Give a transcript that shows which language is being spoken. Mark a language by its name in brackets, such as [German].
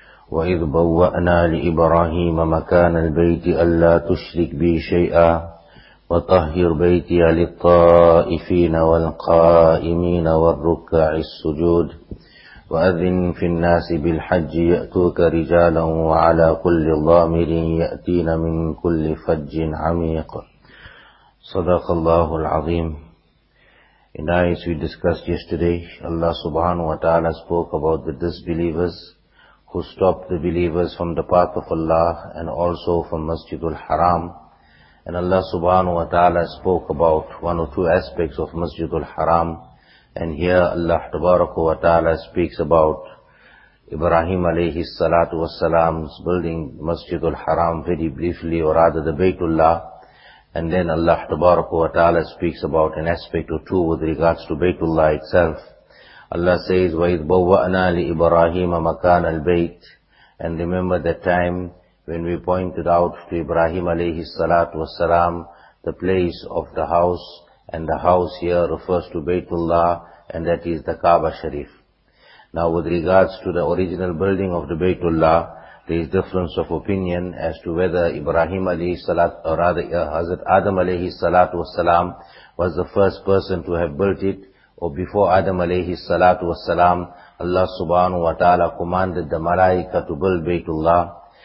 [Arabic] وإذ بوأنا لإبراهيم مكان البيت ألا تشرك بي شيئا وطهر بيتي للطائفين والقائمين والركع السجود وأذن في الناس بالحج يأتوك رجالا وعلى كل ضامر يأتين من كل فج عميق. صدق الله العظيم. [English] And as we discussed yesterday, Allah subhanahu wa ta'ala spoke about the disbelievers who stopped the believers from the path of Allah and also from Masjidul Haram. And Allah subhanahu wa ta'ala spoke about one or two aspects of Masjidul Haram. And here Allah tabarakahu wa ta'ala speaks about Ibrahim alayhi salatu wa salam's building Masjidul Haram very briefly, or rather the Baytullah. And then Allah tabarak wa ta'ala speaks about an aspect or two with regards to Baytullah itself. Allah says, [Arabic] وَإِذْ بَوَّأْنَا لِإِبْرَاهِيمَ مَكَانَ الْبَيْتِ. [English] And remember the time when we pointed out to Ibrahim alayhi salatu wasalam the place of the house, and the house here refers to Baytullah, and that is the Kaaba Sharif. Now with regards to the original building of the Baytullah, there is difference of opinion as to whether Ibrahim alayhi salat, or rather Hazrat Adam alayhi salat wa salam, was the first person to have built it, or before Adam alayhi salat wa salam, Allah subhanahu wa ta'ala commanded the malaika to build Baytullah.